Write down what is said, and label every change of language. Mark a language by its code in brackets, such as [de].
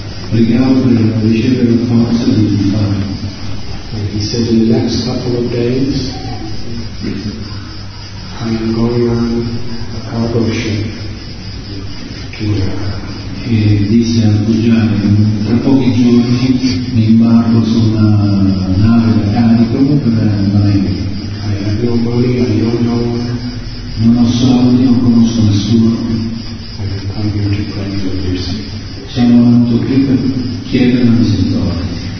[it] Pregavo per ricevere la forza di fare. [en] He said, in the next couple of days, I am going on a cargo ship to [it] E disse al Pujari, tra pochi giorni mi imbarco su una nave da carico per andare. [en] I have no money, I don't know. [it] Non ho soldi, non conosco nessuno. [en] I have come here to pray for mercy. [it] Siamo venuto qui per chiedere una misericordia.